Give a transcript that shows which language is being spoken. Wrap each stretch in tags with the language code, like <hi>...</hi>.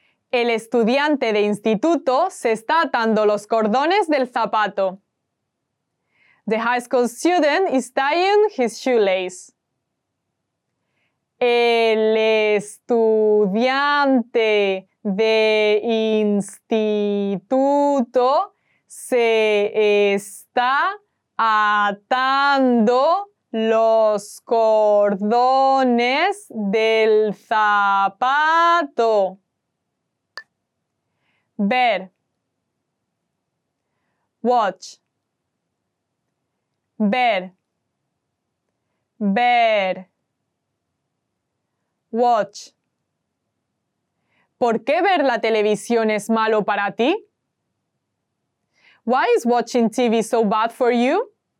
<es>El estudiante de instituto se está atando los cordones del zapato.</es> <en>The high school student is tying his shoelace.</en> <es>El estudiante de instituto se está atando los cordones del zapato. Ver.</es> <en>Watch.</en> <es>Ver. Ver.</es> <en>Watch.</en> <es>¿Por qué ver la televisión es malo para ti?</es> <en>Why is watching TV so bad for you?</en>